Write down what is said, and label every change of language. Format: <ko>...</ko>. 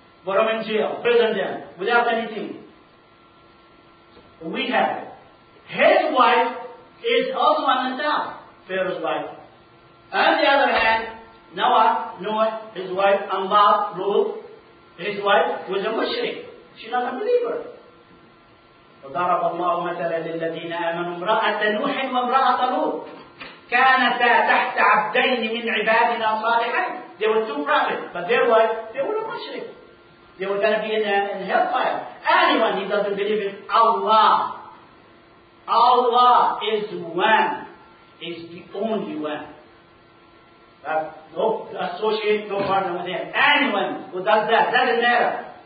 <en>Put them in jail, prison them, without anything. We have it. His wife is also on the top. Pharaoh's wife. On the other hand, Noah, his wife, Ambal, Ruth, his wife was a mushrik. She's not a believer.</en> <ar>وضرب الله مثلا للذين آمنوا امرأة نوح وامرأة لوط كانتا تحت عبدين من عبادنا صالحين.</ar> <en>They were two prophets, but their wife, they were a mushrik. They were going to be in hellfire. Anyone who doesn't believe in Allah, Allah is one, is the only one. No associate, no partner with him. Anyone who does that, doesn't matter.</en>